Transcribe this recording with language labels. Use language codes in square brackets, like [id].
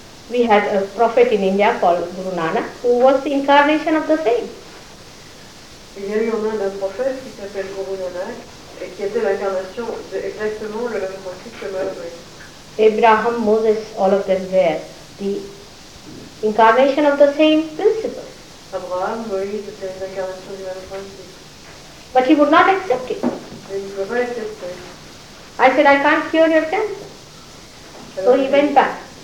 [en] We had a prophet in India called Guru Nanak, who was the incarnation of the same. [fr] Il y a eu en Inde un prophète qui s'appelle Guru Nanak et qui était l'incarnation de exactement le même principe que Mahomet. [en] Abraham, Moses, all of them were the incarnation of the same principle. [fr] Abraham, Moïse était l'incarnation du même principe. [en] But he would not accept it. [fr] Il ne pouvait pas accepter. [en] I said, I can't cure your cancer. So he went back.